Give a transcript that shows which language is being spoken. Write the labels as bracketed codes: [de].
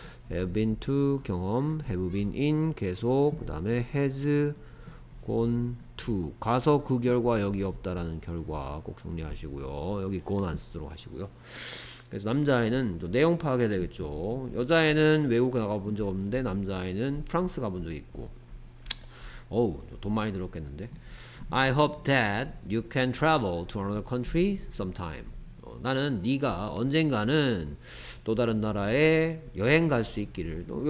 [ko] Have been to 경험, have been in 계속, 그다음에 has gone to 가서 그 결과 여기 없다라는 결과 꼭 정리하시고요. 여기 gone 안 쓰도록 하시고요. 그래서 남자애는 또 내용 파악해야 되겠죠. 여자애는 외국에 나가본 적 없는데 남자애는 프랑스 가본 적 있고. 어우, 돈 많이 들었겠는데. [en] I hope that you can travel to another country sometime. [ko] 나는 네가 언젠가는 또 다른 나라에 여행 갈수 있기를.